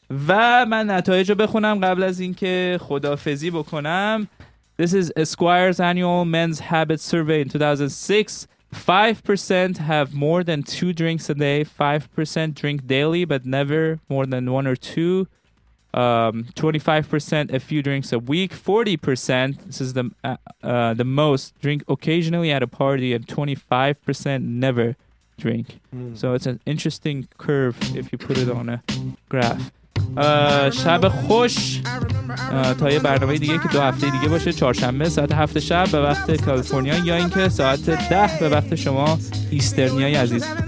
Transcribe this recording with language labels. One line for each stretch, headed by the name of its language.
Persian: و من نتایج رو بخونم قبل از اینکه خدافظی بکنم.
English: This is Esquire's annual men's habit survey in 2006. 5% have more than 2 drinks a day, 5% drink daily but never more than 1 or 2, 25% a few drinks a week, 40%, this is the most, drink occasionally at a party, and 25% never drink. So it's an interesting curve if you put it on a graph.
Persian: شب خوش تا یه برنامه دیگه که دو هفته دیگه باشه، چهارشنبه ساعت 7 شب به وقت کالیفرنیا، یا اینکه ساعت 10 به وقت شما ایسترنیای عزیز.